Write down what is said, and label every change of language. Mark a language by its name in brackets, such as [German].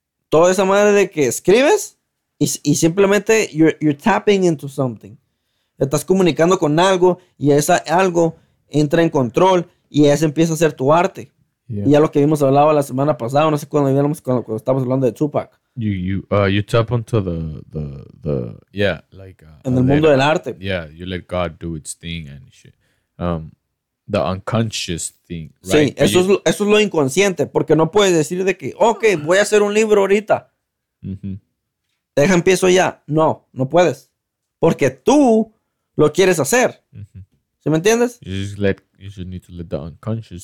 [Spanish] toda esa madre de que escribes y simplemente [English] you're tapping into something. [Spanish] Estás comunicando con algo y esa algo entra en control y ese empieza a ser tu arte. Yeah. Y ya lo que vimos hablaba la semana pasada, no sé cuándo hablamos, cuando estábamos hablando de Tupac. [English] You tap onto the yeah, like [Spanish] en el mundo del arte. [English] Yeah, you let God do its thing and shit. The unconscious thing, right? [Spanish] Sí, eso es lo inconsciente, porque no puedes decir de que, ok, voy a hacer un libro ahorita. Mm-hmm. Deja, empiezo ya. No, no puedes. Porque tú lo quieres hacer. Mm-hmm. ¿Sí me entiendes? [English] You just need to let the unconscious